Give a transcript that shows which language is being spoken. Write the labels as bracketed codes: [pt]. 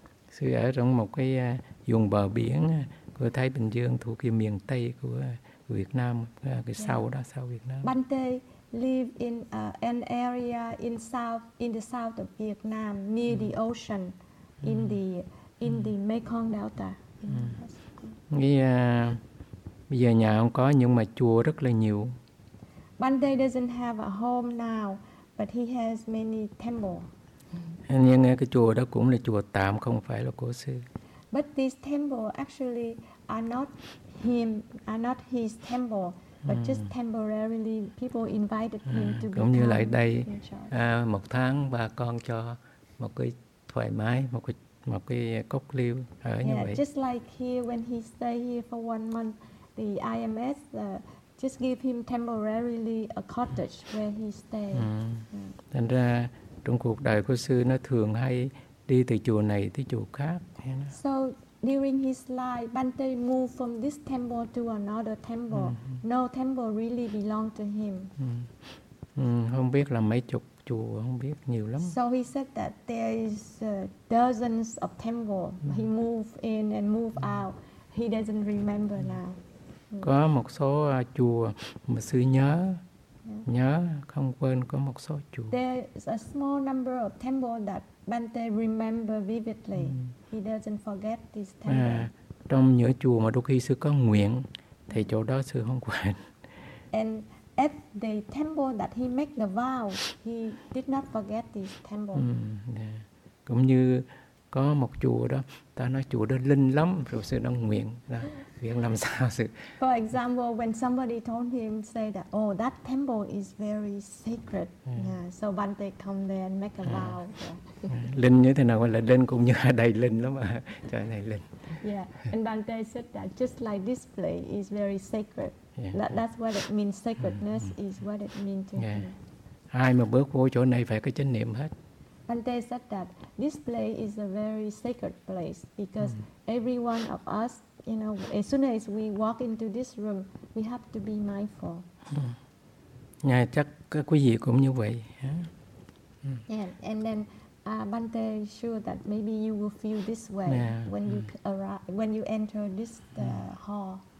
[vi] Sư ở trong một cái vùng bờ biển của Thái Bình Dương thuộc cái miền Tây của Việt Nam, cái sau đó sau Việt Nam. [en] Bhante live in an area in south, in the south of Vietnam near the ocean in the Mekong Delta. [vi] Bây giờ nhà không có nhưng mà chùa rất là nhiều. [en] Bhante doesn't have a home now, but he has many temple. [vi] Nhưng cái chùa đó cũng là chùa tạm, không phải là của sư. [en] But these temple actually are not him, are not his temple, but just temporarily people invited him to [vi] cũng [en] become. [vi] Cũng như lại đây một tháng bà con cho một cái thoải mái, một cái cốc liêu ở như vậy. [en] Just like here when he stay here for one month, the IMS just give him temporarily a cottage where he stay. [vi] Thành ra trong cuộc đời của sư nó thường hay đi từ chùa này tới chùa khác. [en] So during his life, Bhante moved from this temple to another temple. No temple really belong to him. [vi] Không biết là mấy chục chùa, không biết nhiều lắm. [en] So he said that there is dozens of temple. He moved in and moved out. He doesn't remember now. [vi] Có một số chùa mà sư nhớ, nhớ không quên, có một số chùa. [en] There is a small number of temple that Bhante remember vividly. He doesn't forget this temple. [vi] Trong những chùa mà đôi khi sư có nguyện thì chỗ đó sư không quên. [en] And at the temple that he make the vow, he did not forget the temple. [vi] Cũng như có một chùa đó, ta nói chùa đó linh lắm, rồi sư đang nguyện, nguyện làm sao sư. [en] For example, when somebody told him, say that, oh, that temple is very sacred. So Bhante come there and make a vow. [vi] Linh như thế nào là linh, cũng như ở đây linh lắm mà, chỗ này linh. [en] Yeah, and Bhante said that just like this place is very sacred. That's what it means. Sacredness is what it means to him. [vi] Ai mà bước vô chỗ này phải có chánh niệm hết. [en] Bhante said that this place is a very sacred place because every one of us, you know, as soon as we walk into this room, we have to be mindful. [vi] Ngài chắc quý vị cũng như vậy. [en] And then Bhante is sure that maybe you will feel this way when you arrive, when you enter this hall.